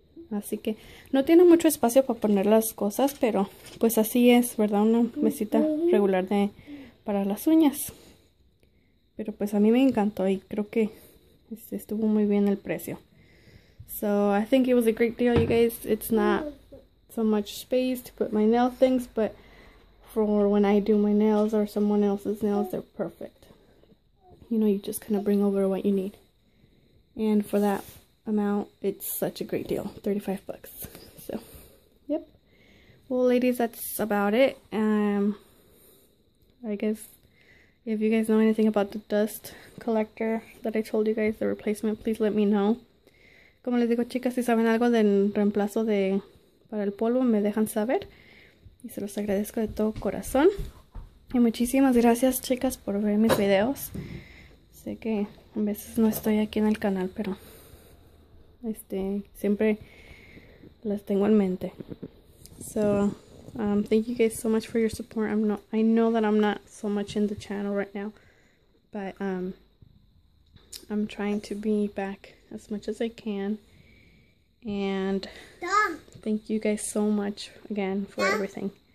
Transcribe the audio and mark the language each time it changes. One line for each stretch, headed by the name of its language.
Spanish: Así que no tiene mucho espacio para poner las cosas, pero pues así es, ¿verdad? Una mesita regular de para las uñas. Pero pues a mí me encantó y creo que estuvo muy bien el precio.
English: So, I think it was a great deal, you guys. It's not so much space to put my nail things, but for when I do my nails or someone else's nails, they're perfect. You know, you just kind of bring over what you need. And for that amount, it's such a great deal, $35. So, yep. Well, ladies, that's about it. I guess if you guys know anything about the dust collector that I told you guys, the replacement, please let me know.
Spanish: Como les digo, chicas, si saben algo del reemplazo de para el polvo, me dejan saber. Y se los agradezco de todo corazón. Y muchísimas gracias, chicas, por ver mis videos. Sé que a veces no estoy aquí en el canal, pero siempre las tengo en mente.
English: So, thank you guys so much for your support. I know that I'm not so much in the channel right now, but I'm trying to be back as much as I can. And thank you guys so much again for everything.